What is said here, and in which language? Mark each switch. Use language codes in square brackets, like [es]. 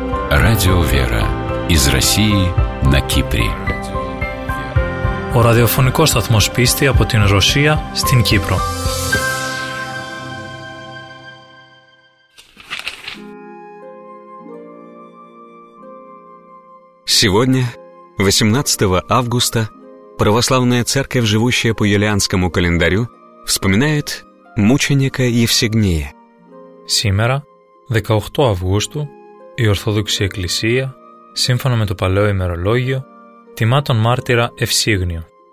[ru] Радио «Вера» из России на Кипре. [el] Ο ραδιοφωνικός σταθμός πίστη από την Ρωσία στην Κύπρο. [ru] Сегодня, 18 августа, Православная Церковь, живущая по юлианскому календарю, вспоминает мученика Евсигнея. [el] Сегодня, 18 августа, η Ορθόδοξη Εκκλησία, σύμφωνα με το παλαιό ημερολόγιο, τιμά τον μάρτυρα Ευσίγνιο.